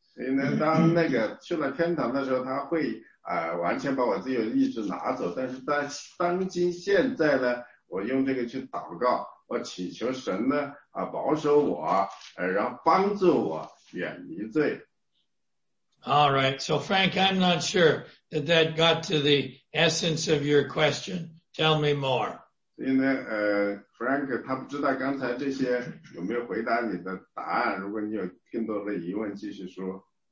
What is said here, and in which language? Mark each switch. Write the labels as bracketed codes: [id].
[zh] 所以呢当那个去了天堂的时候他会完全把我自由意志拿走但是在当今现在呢我用这个去祷告我祈求神呢保守我然后帮助我远离罪。 [en] All right, so Frank, I'm not sure that that got to the essence of your question. Tell me more. [zh] 所以呢Frank, 他不知道刚才这些有没有回答你的答案如果你有更多的疑问继续说。